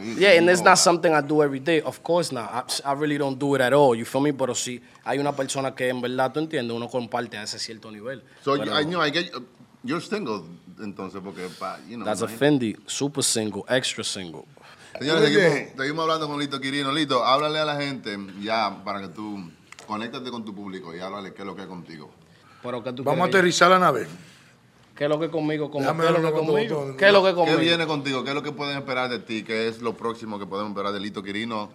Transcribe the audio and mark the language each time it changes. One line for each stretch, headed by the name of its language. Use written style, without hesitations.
English: Yeah, and it's not something I do every day, of course not. I really don't do it at all, you feel me?
Spanish: Pero sí, hay una persona que en verdad, tú entiendes, uno comparte a ese cierto nivel.
English: So,
Spanish: pero,
English: I know, I get, you're single,
Spanish: entonces, porque,
English: you know. That's a Fendi, super single, extra single.
Spanish: Señores, seguimos hablando con Lito Quirino. Lito, háblale a la gente ya para que tú conéctate con tu público y háblale qué es lo que es contigo. ¿Pero qué tú vamos a aterrizar la nave? ¿Qué es lo que es conmigo? ¿Qué viene contigo? ¿Qué es lo que pueden esperar de ti? ¿Qué es lo próximo que podemos esperar de Lito Quirino?